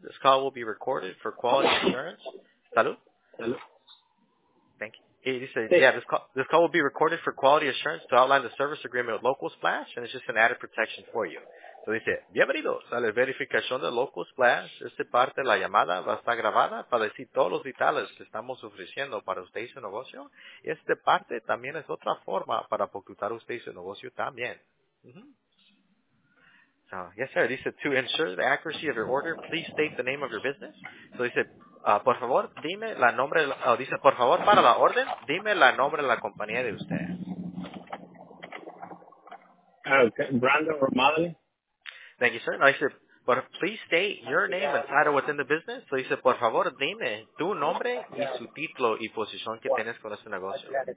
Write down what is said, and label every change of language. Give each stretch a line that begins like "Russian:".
English: This call will be recorded for quality assurance. Salud.
Spanish: Salud.
English: Thank you. He said, yeah, this call will be recorded for quality assurance to outline the service agreement with Local Splash, and it's just an added protection for you. So he said,
Spanish: bienvenidos a la verificación de Local Splash. Esta parte de la llamada va a estar grabada para decir todos los detalles que estamos ofreciendo para usted y su negocio. Esta parte también es otra forma para ocultar usted y su negocio también.
English: So, yes, sir. He said, to ensure the accuracy of your order, please state the name of your business. So he said,
Spanish: por favor, dime la nombre, dice, por favor, para la orden, dime la nombre de la compañía de usted.
English: Okay, Brandon Romali. Thank you, sir. No, he said, but please state your name and title within the business. So he said,
Spanish: por favor, dime tu nombre y su título y posición que tienes con este negocio.